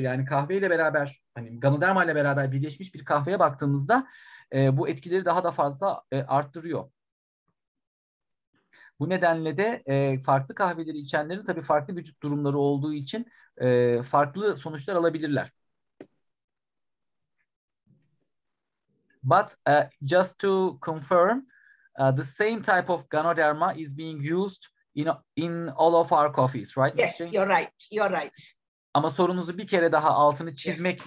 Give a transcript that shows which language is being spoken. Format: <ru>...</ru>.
<tr>Yani kahveyle beraber, hani Ganoderma ile beraber birleşmiş bir kahveye baktığımızda bu etkileri daha da fazla arttırıyor. Bu nedenle de farklı kahveleri içenlerin tabii farklı vücut durumları olduğu için farklı sonuçlar alabilirler.</tr> <en>But just to confirm, the same type of Ganoderma is being used in all of our coffees, right? Yes, you're right. You're right.</en> <tr>Ama sorunuzu bir kere daha altını çizmek yes.</tr>